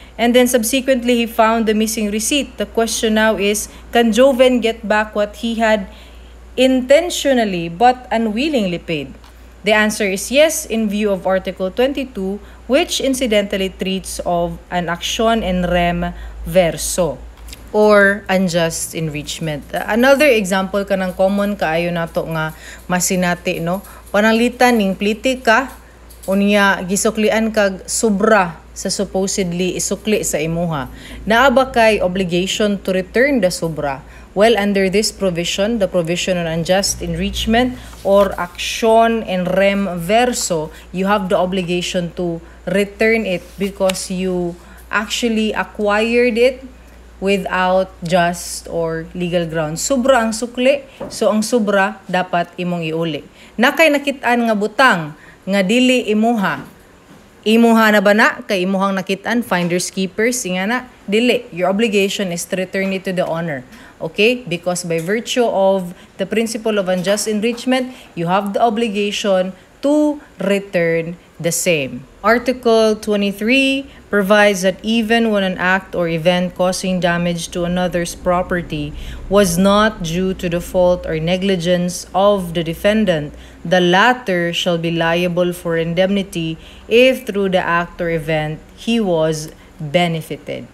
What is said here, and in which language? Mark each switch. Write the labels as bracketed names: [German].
[English] And then subsequently, he found the missing receipt. The question now is, can Joven get back what he had intentionally but unwillingly paid? The answer is yes, in view of Article 22, which incidentally treats of an action in rem verso or unjust enrichment. [Cebuano] Another example ka ng common kaayo nato nga masinati, no? Panalitan ning pliti ka, unya gisuklian kag sobra sa supposedly isukli sa imuha. Naaba kay [English] obligation to return the [Cebuano] sobra. [English] Well, under this provision, the provision on unjust enrichment or action in rem verso, you have the obligation to return it because you actually acquired it without just or legal grounds. [Cebuano] Sobra ang sukli, so ang sobra dapat imong iuli. Nakay nakit-an nga butang nga dili imuha. Imuha na ba na? Kay imuhang nakit-an, [English] finders keepers, [Cebuano] inga na, dili. [English] Your obligation is to return it to the owner. Okay? Because by virtue of the principle of unjust enrichment, you have the obligation to return the same. Article 23 provides that even when an act or event causing damage to another's property was not due to the fault or negligence of the defendant, the latter shall be liable for indemnity if through the act or event he was benefited.